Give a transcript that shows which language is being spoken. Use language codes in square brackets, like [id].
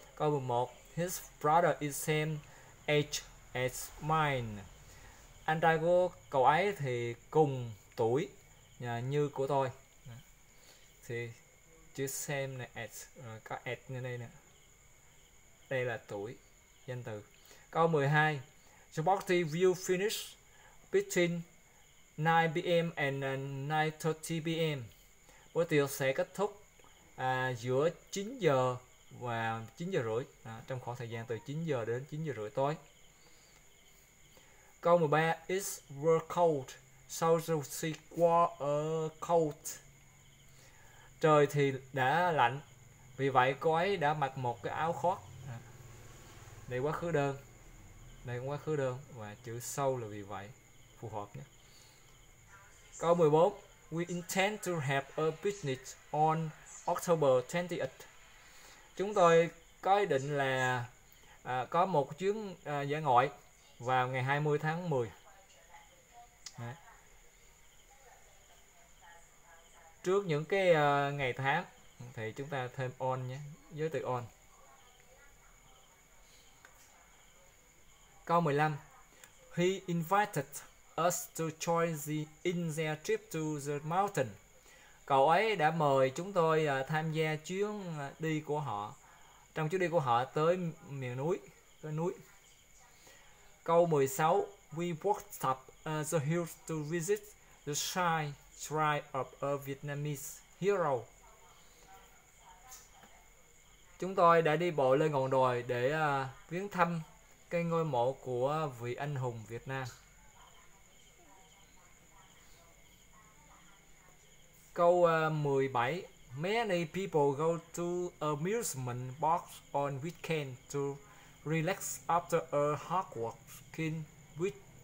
[en] Câu 11, his brother is same age as mine. [vi] Anh trai của cậu ấy thì cùng tuổi như của tôi. Thì chữ same này, at, có at như đây nè. Đây là tuổi, danh từ. [en] Câu 12, sporty view finish between 9 p.m. and 9:30 p.m. [vi] Buổi tiệc sẽ kết thúc giữa 9 giờ và 9 giờ rưỡi, trong khoảng thời gian từ 9 giờ đến 9 giờ rưỡi tối. Câu 13, [en] it's very cold. [vi] Sao rồi sẽ qua ở cold. Trời thì đã lạnh, vì vậy cô ấy đã mặc một cái áo khoác. Đây quá khứ đơn. Đây quá khứ đơn và chữ sau là vì vậy phù hợp nhé. Câu 14. [en] We intend to have a picnic on October 28th. [vi] Chúng tôi có ý định là có một chuyến dã ngoại vào ngày 20 tháng 10. Đấy. Trước những cái ngày tháng thì chúng ta thêm on nhé, với từ on. Câu 15. [en] He invited us to join the in their trip to the mountain. [vi] Cậu ấy đã mời chúng tôi tham gia chuyến đi của họ, trong chuyến đi của họ tới miền núi, tới núi. Câu 16. [en] We walked up the hill to visit the shrine of a Vietnamese hero. [vi] Chúng tôi đã đi bộ lên ngọn đồi để viếng thăm cái ngôi mộ của vị anh hùng Việt Nam. [en] Câu 17. Many people go to amusement park on weekend to relax after a hard working week.